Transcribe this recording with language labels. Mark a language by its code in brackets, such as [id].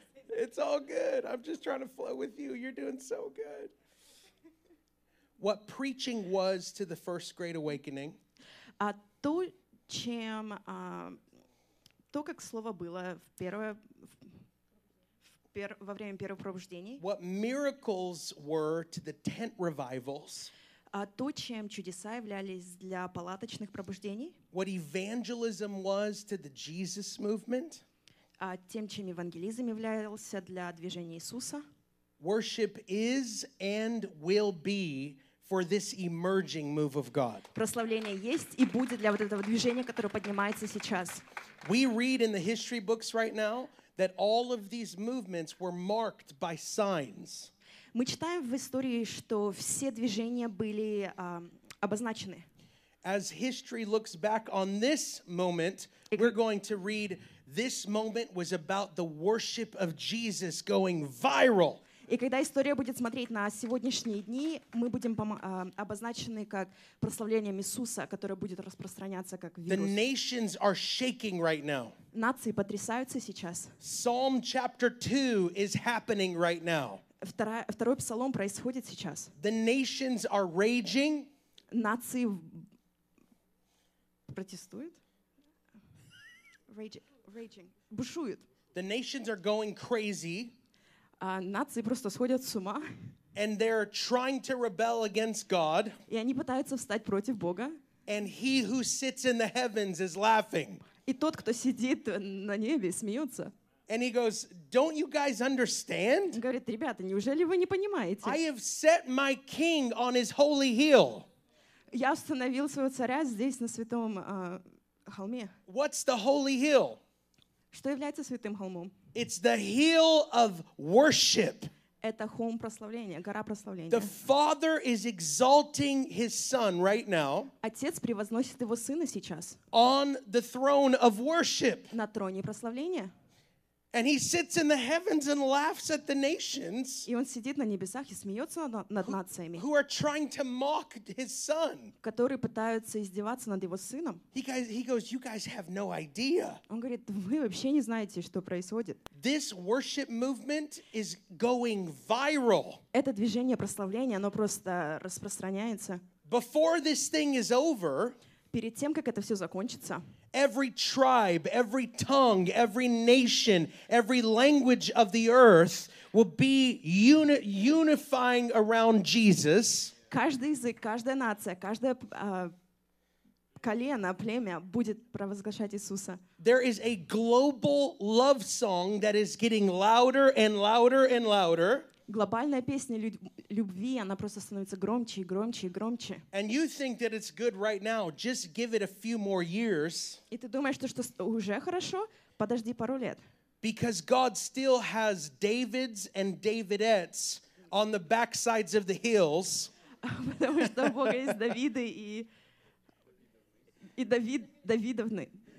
[en] It's all good. I'm just trying to flow with you. You're doing so good. What preaching was to the first great awakening? [ru] То, как слово было в первое во время первого пробуждения. [en] What miracles were to the tent revivals? [ru] То, чем чудеса являлись для палаточных пробуждений. [en] What evangelism was to the Jesus movement? [ru] Тем, чем евангелизм являлся для движения Иисуса. [en] Worship is and will be for this emerging move of God. [ru] Прославление есть и будет для вот этого движения, которое поднимается сейчас. [en] We read in the history books right now that all of these movements were marked by signs. [ru] Мы читаем в истории, что все движения были обозначены. [en] As history looks back on this moment, we're going to read, this moment was about the worship of Jesus going viral. [ru] И когда история будет смотреть на сегодняшние дни, мы будем обозначены как прославлением Иисуса, которое будет распространяться как вирус. [en] The nations are shaking right now. [ru] Нации потрясаются сейчас. [en] Psalm chapter 2 is happening right now. [ru] Второй псалом происходит сейчас. [en] The nations are raging. [ru] Нации протестуют. Raging. Бушуют. [en] The nations are going crazy. [ru] Нации просто сходят с ума. [en] And they're trying to rebel against God. [ru] И они пытаются встать против Бога. [en] And he who sits in the heavens is laughing. [ru] И тот, кто сидит на небе, смеется. [en] And he goes, "Don't you guys understand?" [ru] Он говорит, ребята, неужели вы не понимаете? [en] I have set my king on his holy hill. [ru] Я установил своего царя здесь на святом холме. [en] What's the holy hill? [ru] Что является святым холмом? [en] It's the hill of worship. [ru] Это холм прославления, гора прославления. [en] The Father is exalting His Son right now. [ru] Отец превозносит его сына сейчас. [en] On the throne of worship. [ru] На троне прославления. [en] And He sits in the heavens and laughs at the nations. [ru] И он сидит на небесах и смеется над нациями. [en] Who are trying to mock His Son. [ru] Которые пытаются издеваться над его сыном. [en] He goes, "You guys have no idea." [ru] Он говорит, вы вообще не знаете, что происходит. [en] This worship movement is going viral. [ru] Это движение прославления, оно просто распространяется. [en] Before this thing is over. [ru] Перед тем, как это все закончится. [en] Every tribe, every tongue, every nation, every language of the earth will be unifying around Jesus. [ru] Каждый язык, каждая нация, каждое колено, племя будет провозглашать Иисуса. [en] There is a global love song that is getting louder and louder and louder. [ru] Глобальная песня любви, она просто становится громче и громче и громче. [en] And you think that it's good right now, just give it a few more years. [ru] И ты думаешь, что уже хорошо? Подожди пару лет. [en] Because God still has Davids and Davidettes on the backsides of the hills. [ru] Потому что у Бога есть Давиды и Давидовны.